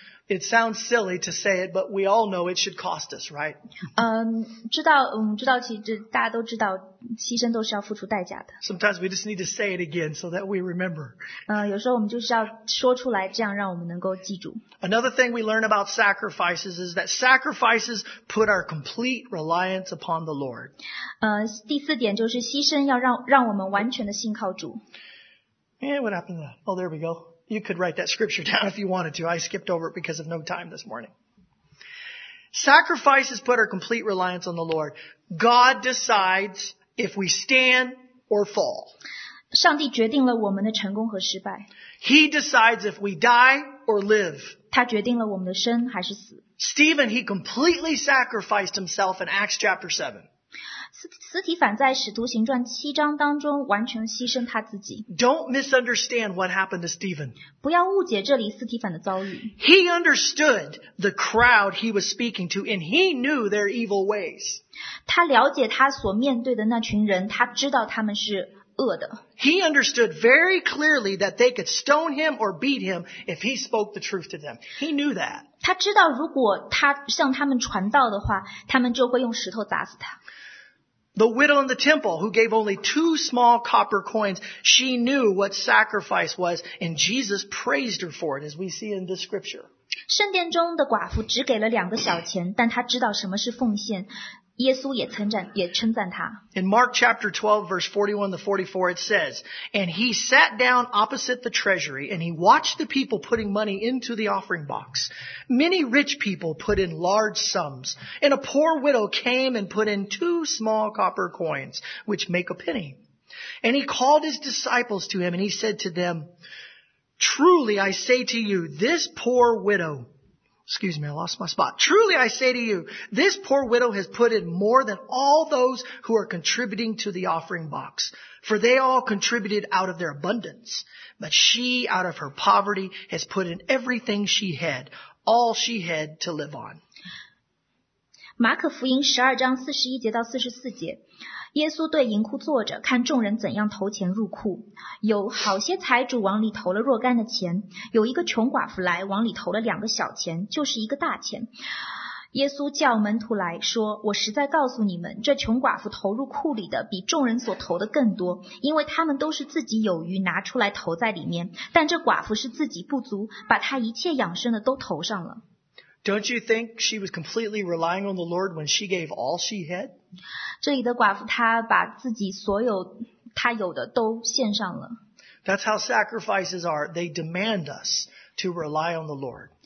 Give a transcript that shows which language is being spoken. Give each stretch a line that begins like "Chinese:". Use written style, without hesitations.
English: It sounds silly to say it, but we all know it should cost us, right?
Chinese: 知道，其实大家都知道，牺牲都是要付出代价的。
English: Sometimes we just need to say it again so that we remember.
Chinese: 有时候我们就是要说出来，这样让我们能够记住。
English: Another thing we learn about sacrifices is that sacrifices put our complete reliance upon the Lord.
Chinese: 第四点就是牺牲要让我们完全的信靠主。
English: Yeah, what happened to that? Oh, there we go. You could write that scripture down if you wanted to. I skipped over it because of no time this morning. Sacrifices put our complete reliance on the Lord. God decides if we stand or fall.
Chinese: 上帝决定了我们的成功和失败。
English: He decides if we die or live.
Chinese: 他决定了我们的生还是死。
English: Stephen, he completely sacrificed himself in Acts chapter 7.
Chinese: 斯提凡在使徒行传七章当中完全牺牲他自己。
English: Don't misunderstand what happened to Stephen.
Chinese: 不要误解这里斯提凡的遭遇。
English: He understood the crowd he was speaking to and he knew their evil ways.
Chinese: 他了解他所面对的那群人，他知道他们是恶的。
English: He understood very clearly that they could stone him or beat him if he spoke the truth to them. He knew that.
Chinese: 他知道如果他向他们传道的话，他们就会用石头砸死他。
English: The widow in the temple who gave only two small copper coins, she knew what sacrifice was, and Jesus praised her for it, as we see in this scripture.
Chinese: 圣殿中的寡妇只给了两个小钱，但她知道什么是奉献，耶稣也称赞她。
English: In Mark chapter 12, verse 41 to 44, it says, And he sat down opposite the treasury, and he watched the people putting money into the offering box. Many rich people put in large sums, and a poor widow came and put in two small copper coins, which make a penny. And he called his disciples to him, and he said to them, Truly I say to you, this poor widow... Excuse me, I lost my spot. Truly I say to you, this poor widow has put in more than all those who are contributing to the offering box. For they all contributed out of their abundance. But she, out of her poverty, has put in everything she had, all she had to live on.
Chinese: 马可福音十二章四十一节到四十四节，耶稣对银库坐着，看众人怎样投钱入库。有好些财主往里投了若干的钱，有一个穷寡妇来，往里投了两个小钱，就是一个大钱。耶稣叫门徒来说，我实在告诉你们，这穷寡妇投入库里的比众人所投的更多，因为他们都是自己有余拿出来投在里面，但这寡妇是自己不足，把她一切养生的都投上了。
English: Don't you think she was completely relying on the Lord when she gave all she had?
Chinese: 这里的寡妇她把自己所有她有的都献上了。
English: That's how sacrifices are. They demand us to rely on the Lord.